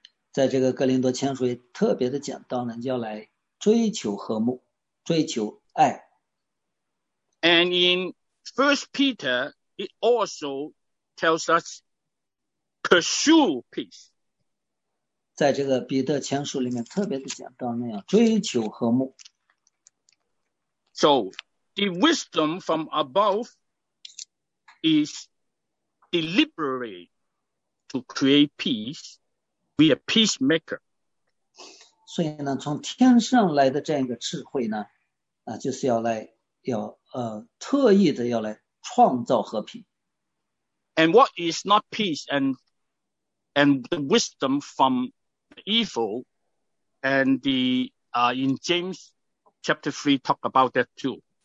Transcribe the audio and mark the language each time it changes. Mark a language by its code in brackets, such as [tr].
[zh] 在这个哥林多前书特别的讲到呢，要来追求和睦，追求爱。 [en] And in First Peter, it also tells us pursue peace. [zh] 在这个彼得前书里面特别的讲到那样追求和睦。 [en] So the wisdom from above is deliberately to create peace. Be a peacemaker. [zh] 所以呢，从天上来的这样一个智慧呢，啊，就是要来要特意的要来创造和平。 [en] And what is not peace and the wisdom from evil and the in James chapter 3 talk about that too.